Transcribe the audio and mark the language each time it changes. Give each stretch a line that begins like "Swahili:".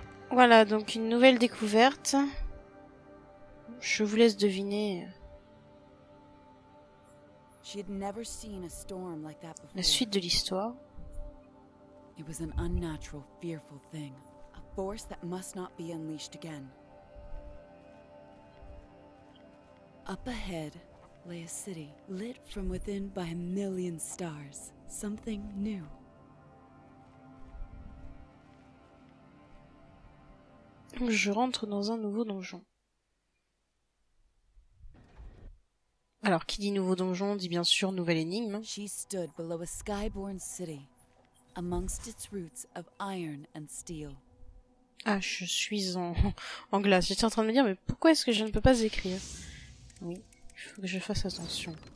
French: Voilà, donc une nouvelle découverte. Je vous laisse deviner.
English: She had never seen a storm like that before.
French: La suite de l'histoire.
English: It was an unnatural, fearful thing, a force that must not be unleashed again. Up ahead lay a city, lit from within by a million stars, something new.
French: Je rentre dans un nouveau donjon. Alors, qui dit nouveau donjon dit bien sûr nouvelle énigme.
English: She stood below a skyborn city, amongst its roots of iron and steel.
French: Ah, je suis en glace. J'étais en train de me dire, mais pourquoi est-ce que je ne peux pas écrire? Oui, il faut que je fasse attention.